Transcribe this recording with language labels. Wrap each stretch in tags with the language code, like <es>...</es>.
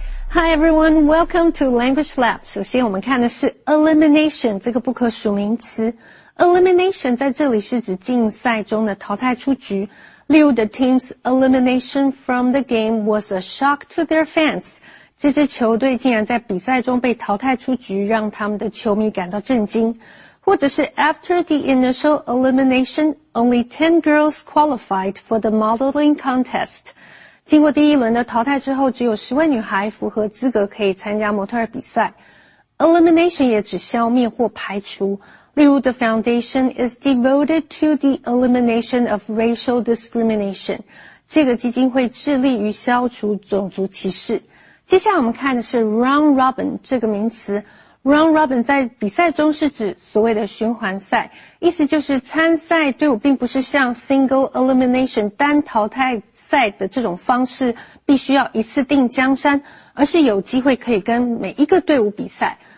<en>Hi everyone, welcome to Language Lab.</en> <zh>首先我们看的是</zh> <en>elimination</en> <zh>这个不可数名词。 Elimination 在这里是指竞赛中的淘汰出局。例如</zh> <en>the team's elimination from the game was a shock to their fans.</en> <zh>这支球队竟然在比赛中被淘汰出局，让他们的球迷感到震惊。或者是</zh> <en>after the initial elimination, only 10 girls qualified for the modeling contest.</en> <zh>经过第一轮的淘汰之后，只有10位女孩符合资格可以参加模特儿比赛。 Elimination 也指消灭或排除。例如</zh> <en>,the foundation is devoted to the elimination of racial discrimination.</en> <zh>这个基金会致力于消除种族歧视。接下来我们看的是 round robin 这个名词。Round robin 在比赛中是指所谓的循环赛，意思就是参赛队伍并不是像 single elimination 单淘汰赛的这种方式必须要一次定江山，而是有机会可以跟每一个队伍比赛。</zh>